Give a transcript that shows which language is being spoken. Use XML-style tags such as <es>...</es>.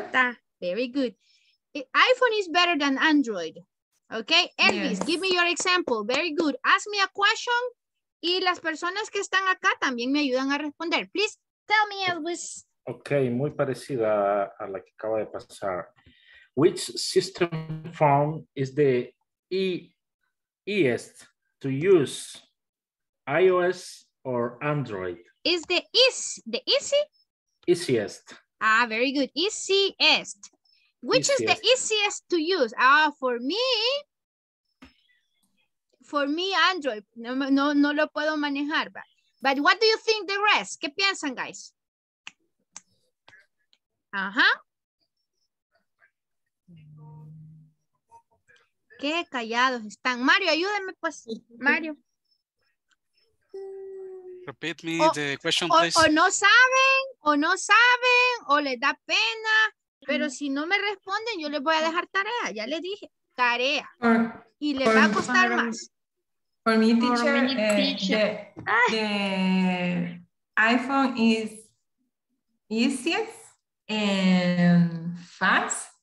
<es>Está.</es> <en>Very good. iPhone is better than Android. ¿Ok? Elvis, yes. Give me your example. Very good. Ask me a question</en> <es>y las personas que están acá también me ayudan a responder.</es> <en>Please tell me, Elvis.</en> <es>Ok, muy parecida a la que acaba de pasar.</es> <en>Which system phone is the easiest to use? iOS or Android? Mm, is the easy? Easiest. Ah, very good. Easiest. Which easiest. Is the easiest to use? Ah, for me, Android.</en> <es>No lo puedo manejar.</es> <en>But what do you think the rest?</en> <es>¿Qué piensan,</es> <en>guys? Uh-huh.</en> <es>Qué callados están. Mario, ayúdame, pues. Mario.</es> <en>Repeat me the question, please.</en> <es>O no saben, o les da pena. Pero si no me responden, yo les voy a dejar tarea. Ya les dije, tarea. Y les va a costar más.</es> <en>For me, teacher, the iPhone is easiest and fast.</en>